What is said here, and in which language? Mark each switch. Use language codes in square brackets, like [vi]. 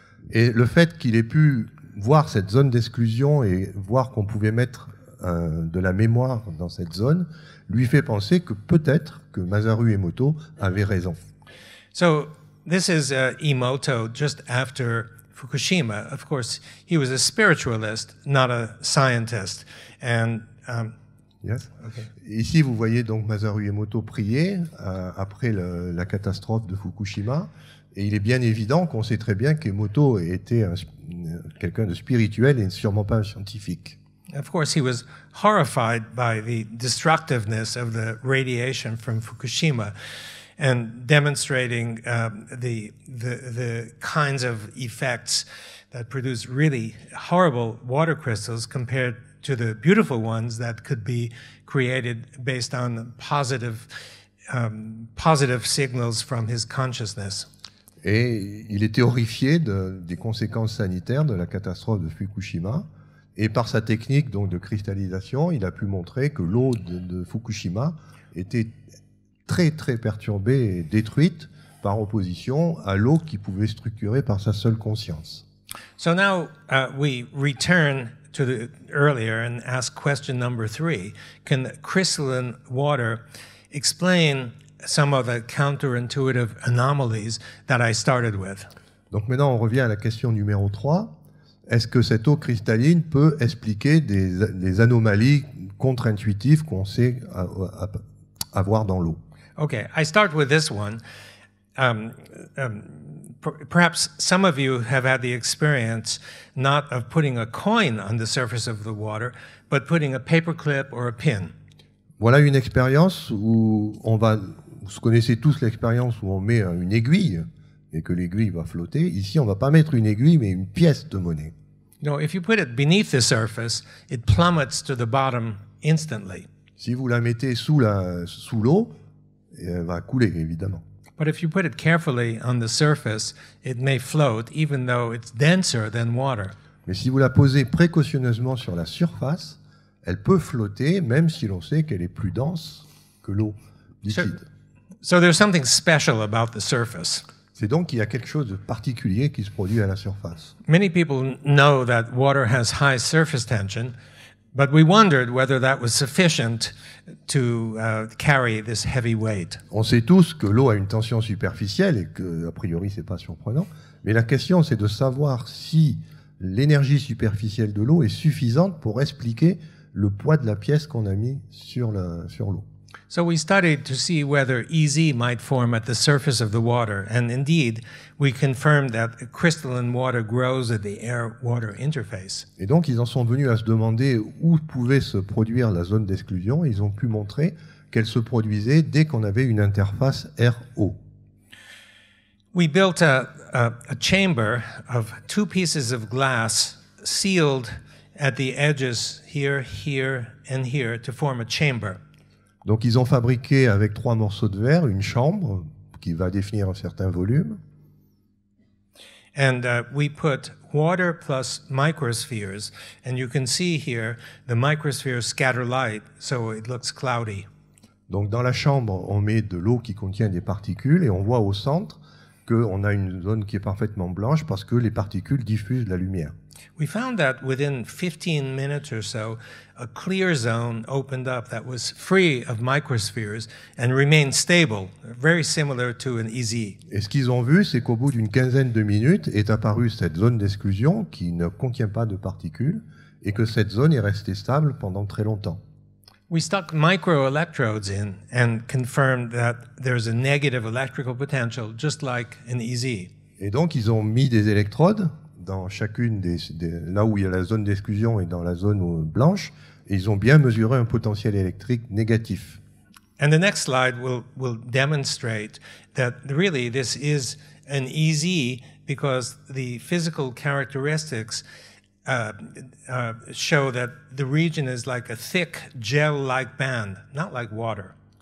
[fr] Et le fait qu'il ait pu voir cette zone d'exclusion et voir qu'on pouvait mettre de la mémoire dans cette zone lui fait penser que peut-être que Masaru Emoto avait raison. [en] So this is Emoto just after Fukushima. Of course, he was a spiritualist, not a scientist. And yes. Okay. [fr] Ici, vous voyez donc Masaru Emoto prier après la catastrophe de Fukushima. Et il est bien évident qu'on sait très bien qu'Emoto était quelqu'un de spirituel et sûrement pas un scientifique. [en] Of course, he was horrified by the destructiveness of the radiation from Fukushima and demonstrating the kinds of effects that produce really horrible water crystals compared to the beautiful ones that could be created based on positive signals from his consciousness. [fr] Et il était horrifié des conséquences sanitaires de la catastrophe de Fukushima. Et par sa technique donc, de cristallisation, il a pu montrer que l'eau de Fukushima était très, très perturbée et détruite par opposition à l'eau qui pouvait structurer par sa seule conscience. [en] So now we return to the earlier and ask question number three. Can the crystalline water explain some of the counterintuitive anomalies that I started with? [fr] Donc maintenant on revient à la question numéro 3. Est-ce que cette eau cristalline peut expliquer des anomalies contre-intuitives qu'on sait avoir dans l'eau? [en] Okay, I start with this one. Perhaps some of you have had the experience not of putting a coin on the surface of the water, but putting a paperclip or a pin. [fr] Voilà une expérience où on va... Vous connaissez tous l'expérience où on met une aiguille et que l'aiguille va flotter. Ici, on ne va pas mettre une aiguille, mais une pièce de monnaie. [en] No, if you put it beneath the surface, it plummets to the bottom instantly. [fr] Si vous la mettez sous l'eau, elle va couler, évidemment. [en] But if you put it carefully on the surface, it may float, even though it's denser than water. [fr] Mais si vous la posez précautionneusement sur la surface, elle peut flotter, même si l'on sait qu'elle est plus dense que l'eau liquide. [en] So there's something special about the surface. [fr] C'est donc qu'il y a quelque chose de particulier qui se produit à la surface. [en] Many people know that water has high surface tension, but we wondered whether that was sufficient to carry this heavy weight. [fr] On sait tous que l'eau a une tension superficielle et que a priori c'est pas surprenant, mais la question c'est de savoir si l'énergie superficielle de l'eau est suffisante pour expliquer le poids de la pièce qu'on a mis sur l'eau. [en] So we studied to see whether EZ might form at the surface of the water, and indeed, we confirmed that crystalline water grows at the air-water interface. [fr] Et donc, ils en sont venus à se demander où pouvait se produire la zone d'exclusion. Ils ont pu montrer qu'elle se produisait dès qu'on avait une interface air-eau. [en] We built a chamber of two pieces of glass sealed at the edges here, here, and here to form a chamber. [fr] Donc ils ont fabriqué avec trois morceaux de verre une chambre qui va définir un certain volume. [en] And we put water plus microspheres, and you can see here the microspheres scatter light, so it looks cloudy. [fr] Donc dans la chambre, on met de l'eau qui contient des particules et on voit au centre qu'on a une zone qui est parfaitement blanche parce que les particules diffusent la lumière. [en] We found that within 15 minutes or so, a clear zone opened up that was free of microspheres and remained stable, very similar to an EZ. [fr] Et ce qu'ils ont vu, c'est qu'au bout d'une quinzaine de minutes est apparue cette zone d'exclusion qui ne contient pas de particules et que cette zone est restée stable pendant très longtemps. [en] We stuck microelectrodes in and confirmed that there's a negative electrical potential, just like an EZ. [fr] Et donc, ils ont mis des électrodes dans chacune des là où il y a la zone d'exclusion et dans la zone blanche, et ils ont bien mesuré un potentiel électrique négatif. [en] And the next slide will demonstrate that really this is an EZ because the physical characteristics show that the region is like a thick gel-like band, not like water.